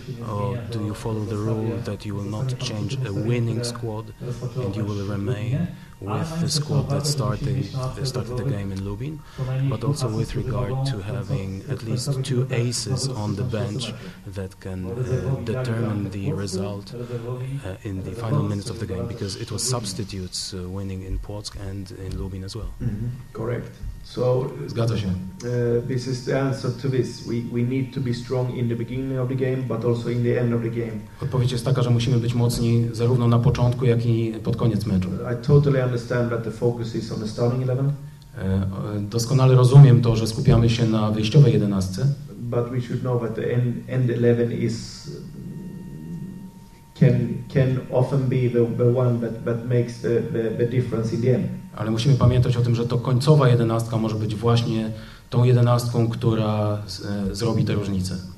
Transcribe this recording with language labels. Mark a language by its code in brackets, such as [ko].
[en] Or do you follow the rule that you will not change a winning squad and you will remain with the squad that started the game in Lubin, but also with regard to having at least two aces on the bench that can determine the result in the final minutes of the game, because it was substitutes winning in Płock and in Lubin as well. Mm-hmm. Correct. So, [pl] zgadza się. [en] This is the answer to this. We need to be strong in the beginning of the game, but also in the end of the game. [pl] Odpowiedź jest taka, że musimy być mocni zarówno na początku, jak i pod koniec meczu. [en] I totally understand that the focus is on the starting 11. [pl] Doskonale rozumiem to, że skupiamy się na wyjściowej 11. [en] But we should know that the end 11 is can often be the one that makes the difference in the end. [pl] Ale musimy pamiętać o tym, że to końcowa jedenastka może być właśnie tą jedenastką, która zrobi tę różnicę.